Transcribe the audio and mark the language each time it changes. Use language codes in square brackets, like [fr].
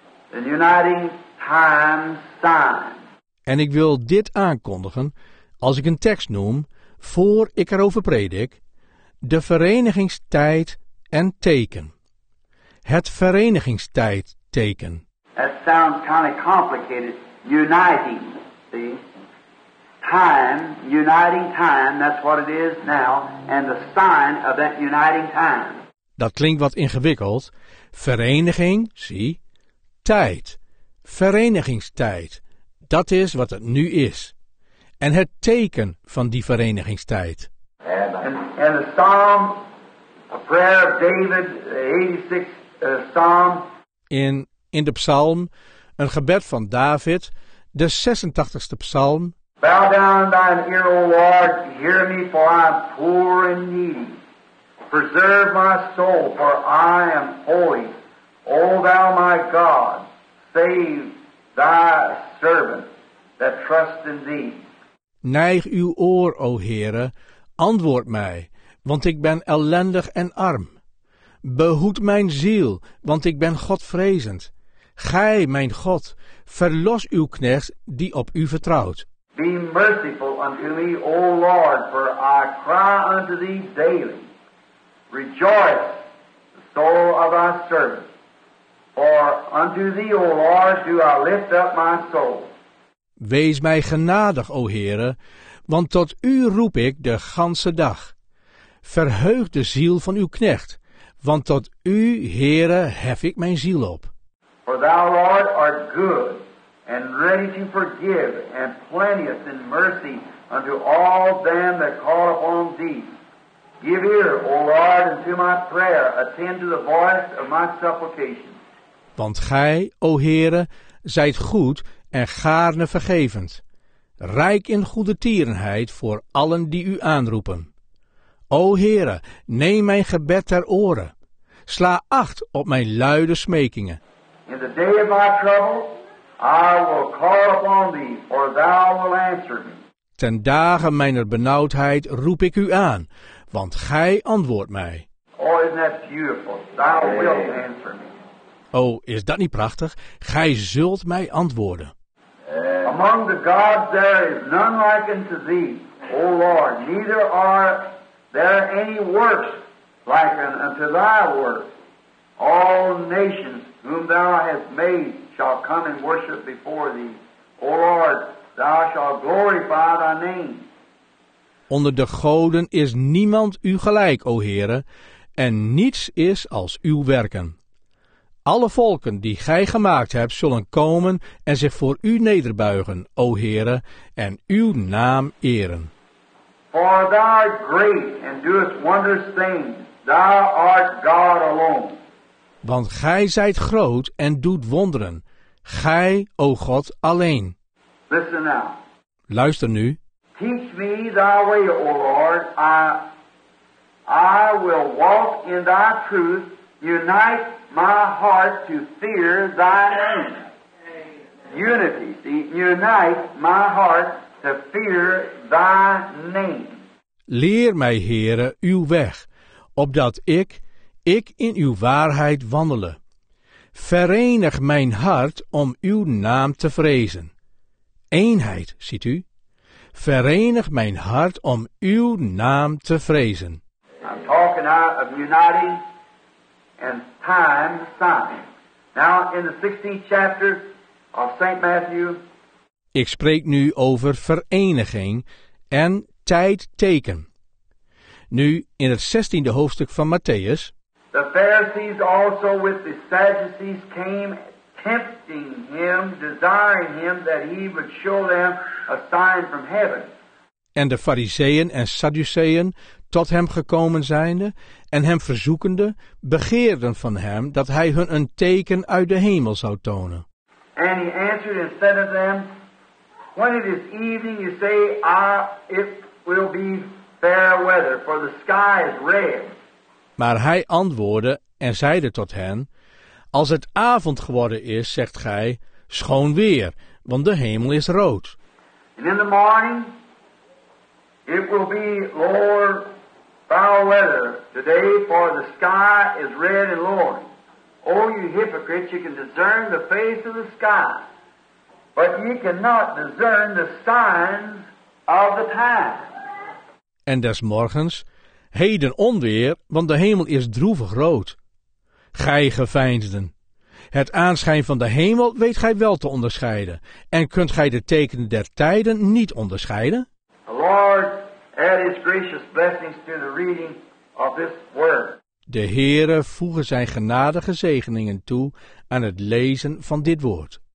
[en] The uniting time sign. [nl] En ik wil dit aankondigen, als ik een tekst noem, voor ik erover predik. De verenigingstijd en teken. Het verenigingstijd teken. [en] That sounds kind of complicated. Uniting, see? Time, uniting time, that's what it is now. And the sign of that uniting time. [nl] Dat klinkt wat ingewikkeld. Vereniging, zie? Tijd. Verenigingstijd, dat is wat het nu is. En het teken van die verenigingstijd. En de psalm, een prayer van David, de 86e psalm. In de psalm, een gebed van David, de 86e psalm. [en] Bow down thine ear, O Lord, hear me, for I am poor and needy. Preserve my soul, for I am holy. O thou my God, save thy servant that trusts in thee. [nl] Neig uw oor, o Heere, antwoord mij, want ik ben ellendig en arm. Behoed mijn ziel, want ik ben Godvrezend. Gij, mijn God, verlos uw knecht die op u vertrouwt. [en] Be merciful unto me, O Lord, for I cry unto thee daily. Rejoice, the soul of thy servant, for unto thee, O Lord, do I lift up my soul. [nl] Wees mij genadig, o Heere, want tot u roep ik de ganse dag. Verheug de ziel van uw knecht, want tot u, Heere, hef ik mijn ziel op. [en] For thou, Lord, art good, and ready to forgive, and plenteous in mercy unto all them that call upon thee. Give ear, O Lord, unto my prayer, attend to the voice of my supplication. [nl] Want gij, o Heere, zijt goed en gaarne vergevend, rijk in goede tierenheid voor allen die u aanroepen. O Heere, neem mijn gebed ter oren. Sla acht op mijn luide smekingen. [en] In the day of my trouble, I will call upon thee, for thou will answer me. [nl] Ten dagen mijner benauwdheid roep ik u aan, want gij antwoordt mij. [en] Oh, isn't that beautiful? Thou wilt answer me. [nl] O, is dat niet prachtig? Gij zult mij antwoorden. [en] Among the gods there is none like unto thee, O Lord. Neither are there any works like unto thy works. All nations whom thou hast made shall come and worship before thee. O Lord, thou shalt glorify thy name. [nl] Onder de goden is niemand u gelijk, o Heere, en niets is als uw werken. Alle volken die gij gemaakt hebt, zullen komen en zich voor u nederbuigen, o Heere, en uw naam eren. [en] For thou art great and doest wondrous things, thou art God alone. [nl] Want gij zijt groot en doet wonderen, gij, o God, alleen. [en] Listen now. [nl] Luister nu. [en] Teach me thy way, o Lord, I will walk in thy truth, unite my heart to fear thy name. Unity, unite my heart to fear thy name. [nl] Leer mij, Heere, uw weg, opdat ik in uw waarheid wandelen. Verenig mijn hart om uw naam te vrezen. Eenheid, ziet u? Verenig mijn hart om uw naam te vrezen. [en] I'm talking of uniting and time signing. Now in the 16th chapter of St. Matthew. [nl] Ik spreek nu over vereniging en tijdteken. Nu in het 16e hoofdstuk van Matthäus. [en] The Pharisees also with the Sadducees came tempting him, desiring him that he would show them a sign from heaven. [nl] En de Farizeeën en Sadduceeën tot hem gekomen zijnde en hem verzoekende, begeerden van hem dat hij hun een teken uit de hemel zou tonen. [en] And he answered and said unto them, when it is evening, you say, it will be fair weather, for the sky is red. [nl] Maar hij antwoordde en zeide tot hen, als het avond geworden is, zegt gij, schoon weer, want de hemel is rood. [en] And in the morning, it will be lower foul weather today, for the sky is red and lowering. O, you hypocrites, you can discern the face of the sky, but ye cannot discern the signs of the time. [nl] En des morgens, heden onweer, want de hemel is droevig rood. Gij geveinsden, het aanschijn van de hemel weet gij wel te onderscheiden, en kunt gij de tekenen der tijden niet onderscheiden? [en] The Lord add his gracious blessings to the reading of this word. [nl] De Heere voegen zijn genadige zegeningen toe aan het lezen van dit woord.